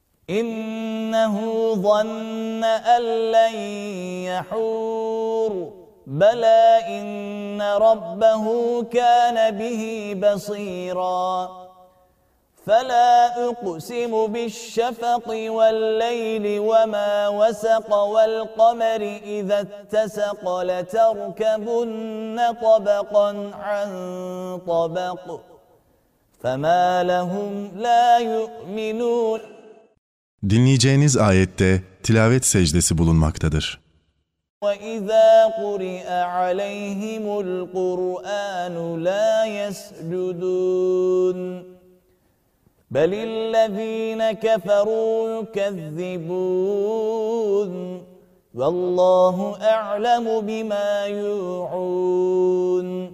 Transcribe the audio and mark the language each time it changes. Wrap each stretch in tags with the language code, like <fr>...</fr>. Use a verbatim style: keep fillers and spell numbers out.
<ar>إِنَّهُ ظَنَّ أَنْ لَنْ يَحُورَ بلى إن ربه كان به بصيرا فلا أقسم بالشفق والليل وما وسق والقمر إذا اتسق لتركبن طبقا عن طبق فما لهم لا يؤمنون.</ar> <tr>Dinleyeceğiniz ayette tilavet secdesi bulunmaktadır.</tr> <ar>وَإِذَا قُرِئَ عَلَيْهِمُ الْقُرْآنُ لَا يَسْجُدُونَ بَلِ الَّذِينَ كَفَرُوا يُكَذِّبُونَ وَاللّٰهُ أَعْلَمُ بِمَا يُوعُونَ</ar>